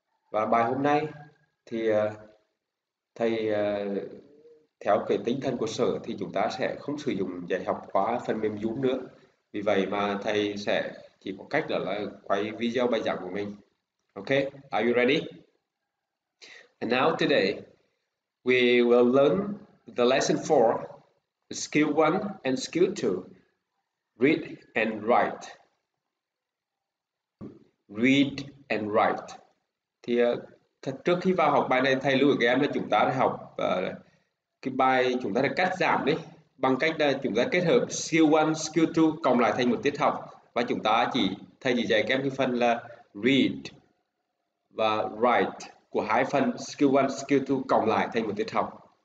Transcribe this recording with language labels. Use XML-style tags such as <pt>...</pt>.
<vi>Và bài hôm nay thì thầy theo cái tinh thần của sở thì chúng ta sẽ không sử dụng dạy học qua phần mềm Zoom nữa. Vì vậy mà thầy sẽ chỉ có cách là quay video bài giảng của mình.</vi> <en>Ok, are you ready? And now today, we will learn the lesson 4, skill 1 and skill 2, read and write. Read and write.</en> <vi>Thì trước khi vào học bài này, thầy lưu ý các em là chúng ta đã học cái bài chúng ta đã cắt giảm đấy bằng cách là chúng ta kết hợp skill 1, skill 2 cộng lại thành một tiết học, và chúng ta chỉ thầy chỉ dạy các em cái phần là read và write của hai phần skill 1, skill 2 cộng lại thành một tiết học.</vi>